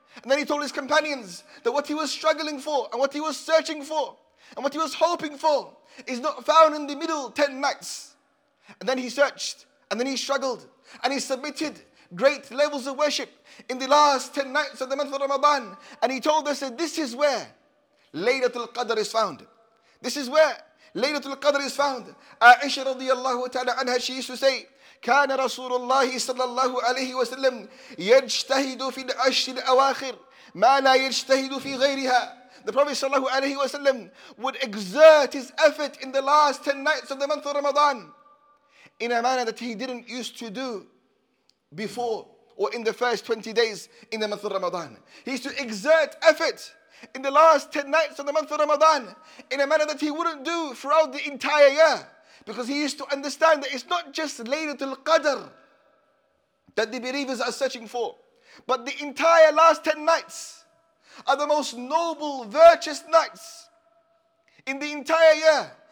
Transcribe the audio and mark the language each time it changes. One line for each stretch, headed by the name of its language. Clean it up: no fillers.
English: And then he told his companions that what he was struggling for and what he was searching for and what he was hoping for is not found in the middle 10 nights. And then he searched and then he struggled and he submitted great levels of worship in the last 10 nights of the month of Ramadan. And he told us that this is where Laylatul Qadr is found. This is where Laylatul Qadr is found. Aisha radiallahu ta'ala anha, she used to say,
Arabic: كان رسول الله صلى الله عليه وسلم يجتهد في العشر الأواخر ما لا يجتهد في غيرها.
English: The Prophet sallallahu alayhi wa sallam would exert his effort in the last 10 nights of the month of Ramadan in a manner that he didn't used to do before or in the first 20 days in the month of Ramadan. He used to exert effort in the last 10 nights of the month of Ramadan in a manner that he wouldn't do throughout the entire year, because he used to understand that it's not just Laylatul Qadr that the believers are searching for, but the entire last 10 nights are the most noble, virtuous nights in the entire year.